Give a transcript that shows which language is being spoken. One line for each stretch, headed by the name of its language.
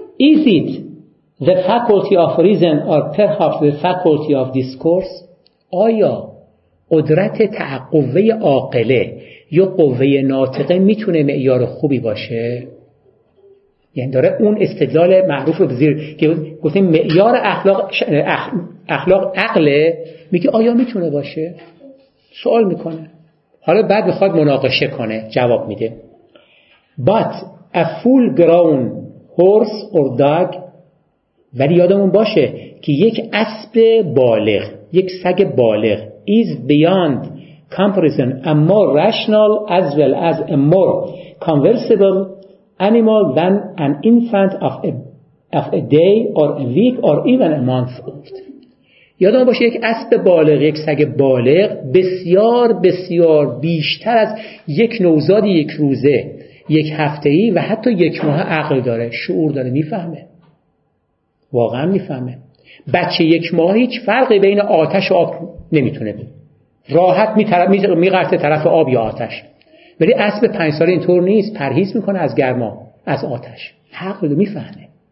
English: Is it the faculty of reason or perhaps the faculty of discourse؟
Persian: آیا قدرت تعقوه عاقله یا قوه ناطقه میتونه معیار خوبی باشه؟ یعنی داره اون استدلال معروف رو بزیر که گفتیم معیار اخلاق عقله، میگه آیا میتونه باشه؟ سوال میکنه، حالا بعد میخواد مناقشه کنه، جواب میده.
English: But a full grown horse or dog،
Persian: ولی یادمون باشه که یک اسب بالغ، یک سگ بالغ،
English: is beyond comparison a more rational as well as a more conversable animal than an infant of a day or a week or even a month old.
Persian: یادمون باشه یک اسب بالغ، یک سگ بالغ، بسیار بسیار بیشتر از یک نوزاد یک روزه، یک هفته‌ای و حتی یک ماه عقل داره، شعور داره، میفهمه، واقعا میفهمه. بچه یک ماه هیچ فرقی بین آتش و آب نمیتونه بود، راحت میقرطه طرف آب یا آتش، ولی اسب 5 ساله اینطور نیست، پرهیز میکنه از گرما، از آتش، عقل رو میفهمه.